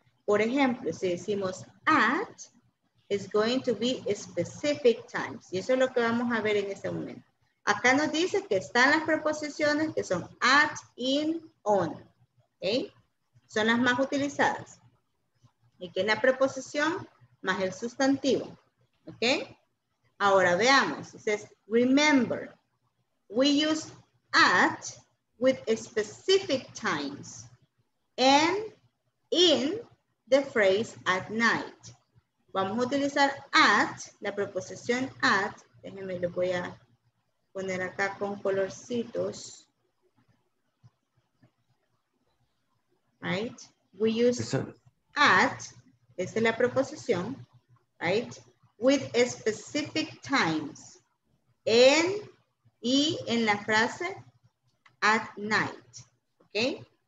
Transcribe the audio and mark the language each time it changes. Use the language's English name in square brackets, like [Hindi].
[Spanish] Por ejemplo, si decimos at, [English] it's going to be specific times. [Spanish] Y eso es lo que vamos a ver en este momento. Acá nos dice que están las preposiciones que son at, in, on. ¿Okay? Son las más utilizadas. Y que es la preposición más el sustantivo. [English] Ok, [Spanish] ahora veamos, [English] it says, remember, we use at with specific times and in the phrase at night. [Spanish] Vamos a utilizar at, la preposición at, déjenme lo voy a poner acá con colorcitos. Right, [English] we use at, [Spanish] esa es la preposición, right, [English] with specific times, [Spanish] en y en la frase at night, ¿ok?